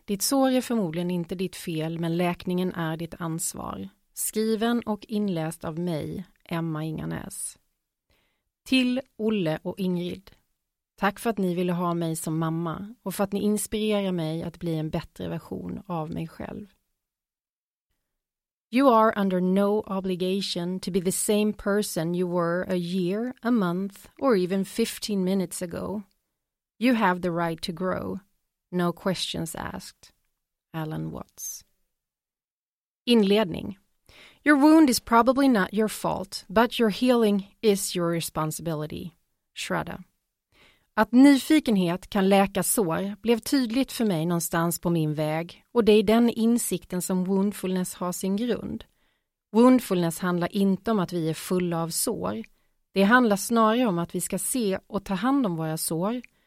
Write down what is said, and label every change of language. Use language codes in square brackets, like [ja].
[sv] Ditt sår är förmodligen inte ditt fel, men läkningen är ditt ansvar. Skriven och inläst av mig, Emma Inganäs. Till Olle och Ingrid. Tack för att ni ville ha mig som mamma och för att ni inspirerar mig att bli en bättre version av mig själv. [en] You are under no obligation to be the same person you were a year, a month or even 15 minutes ago. You have the right to grow. No questions asked. Alan Watts. [sv] Inledning. [en] Your wound is probably not your fault, but your healing is your responsibility. Shraddha. [sv] Att nyfikenhet kan läka sår blev tydligt för mig någonstans på min väg, och det är den insikten som woundfulness har sin grund. Woundfulness handlar inte om att vi är fulla av sår. Det handlar snarare om att vi ska se och ta hand om våra sår.